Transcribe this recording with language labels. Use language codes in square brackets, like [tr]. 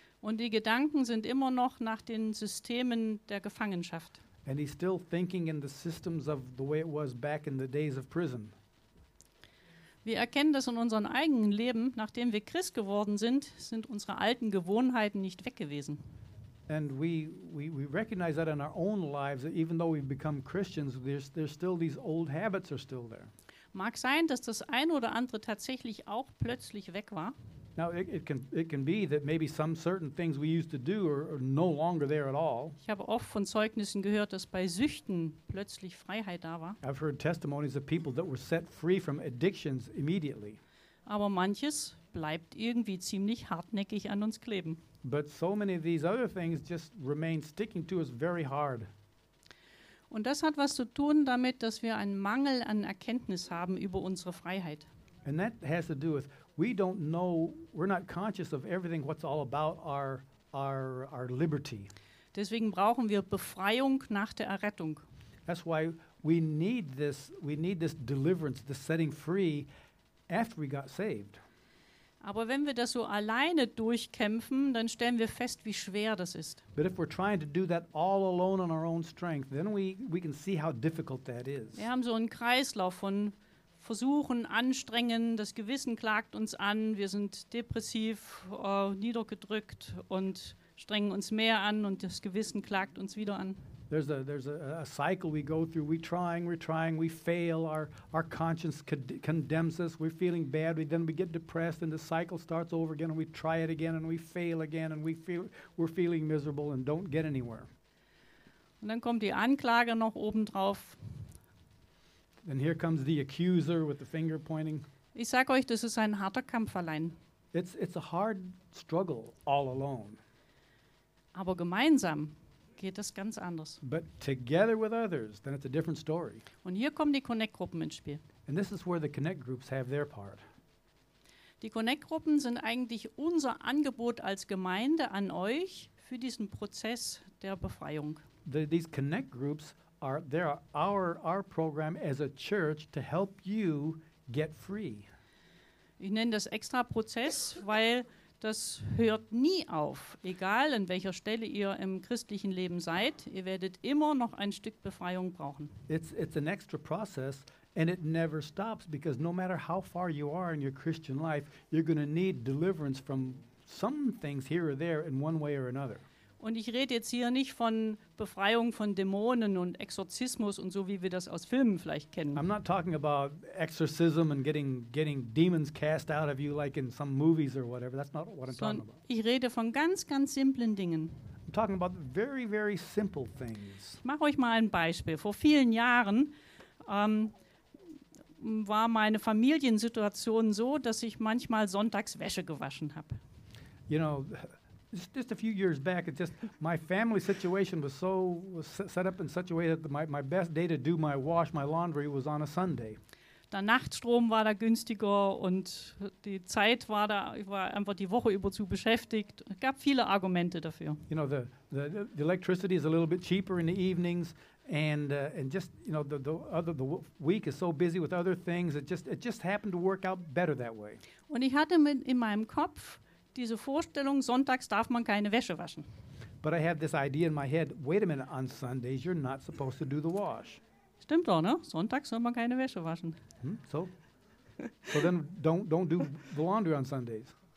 [de] Und die Gedanken sind immer noch nach den Systemen der Gefangenschaft. [en] And he's still thinking in the systems of the way it was back in the days of prison. [de] Wir erkennen das in unserem eigenen Leben. Nachdem wir Christ geworden sind, sind unsere alten Gewohnheiten nicht weg gewesen. [en] And we recognize that in our own lives, that even though we've become Christians, there's still these old habits are still there. [de] Mag sein, dass das ein oder andere tatsächlich auch plötzlich weg war. [en] Now it can be that maybe some certain things we used to do are no longer there at all. [de] Ich habe oft von Zeugnissen gehört, dass bei Süchten plötzlich Freiheit da war. [en] I've heard testimonies of people that were set free from addictions immediately. [de] Aber manches bleibt irgendwie ziemlich hartnäckig an uns kleben. [en] But so many of these other things just remain sticking to us very hard. [de] Und das hat was zu tun damit, dass wir einen Mangel an Erkenntnis haben über unsere Freiheit. [en] And that has to do with we don't know, we're not conscious of everything what's all about our liberty. [de] Deswegen brauchen wir Befreiung nach der Errettung. [en] That's why we need this deliverance, this setting free after we got saved. [de] Aber wenn wir das so alleine durchkämpfen, dann stellen wir fest, wie schwer das ist. [en] But if we're trying to do that all alone on our own strength, then we can see how difficult that is. [de] Wir haben so einen Kreislauf von Versuchen, Anstrengen, das Gewissen klagt uns an, wir sind depressiv, niedergedrückt und strengen uns mehr an und das Gewissen klagt uns wieder an. [en] There's a cycle we go through. We're trying, we fail. Our conscience condemns us. We're feeling bad. Then we get depressed, and the cycle starts over again. And we try it again, and we fail again, and we're feeling miserable and don't get anywhere. [de] Und dann kommt die Anklage noch oben drauf. [en] And here comes the accuser with the finger pointing. [de] Ich sag euch, das ist ein harter Kampf allein. [en] It's a hard struggle all alone. [de] Aber gemeinsam geht das ganz anders. [en] But together with others, then it's a different story. [de] Und hier kommen die Connect-Gruppen ins Spiel. [en] And this is where the Connect-Groups have their part. [de] Die Connect-Gruppen sind eigentlich unser Angebot als Gemeinde an euch für diesen Prozess der Befreiung. [en] These Connect-Groups are there our program as a church to help you get free. [de] Ich nenne das extra Prozess, weil das hört nie auf, egal an welcher Stelle ihr im christlichen Leben seid. Ihr werdet immer noch ein Stück Befreiung brauchen. [en] It's an extra process and it never stops, because no matter how far you are in your Christian life, you're going to need deliverance from some things here or there in one way or another. [de] Und ich rede jetzt hier nicht von Befreiung von Dämonen und Exorzismus und so, wie wir das aus Filmen vielleicht kennen. [en] I'm not talking about exorcism and getting demons cast out of you like in some movies or whatever. That's not what I'm talking about. [de] Ich rede von ganz, ganz simplen Dingen. [en] I'm talking about very, very simple things. [de] Ich mache euch mal ein Beispiel. Vor vielen Jahren war meine Familiensituation so, dass ich manchmal sonntags Wäsche gewaschen habe. [en] You know, just a few years back, it's just my family situation was set up in such a way that my best day to do my wash, my laundry, was on a Sunday. [de] Der Nachtstrom war da günstiger und die Zeit war da, ich war einfach die Woche über zu beschäftigt. Es gab viele Argumente dafür. [en] You know, the electricity is a little bit cheaper in the evenings, and just, you know, the week is so busy with other things, it just happened to work out better that way. [de] Und ich hatte in meinem Kopf diese Vorstellung, sonntags darf man keine Wäsche waschen. [en] But I have this idea in my head, wait a minute, on Sundays you're not supposed to do the wash. [de] Stimmt doch, ne? Sonntags soll man keine Wäsche waschen. [en] So then don't do the laundry on Sundays.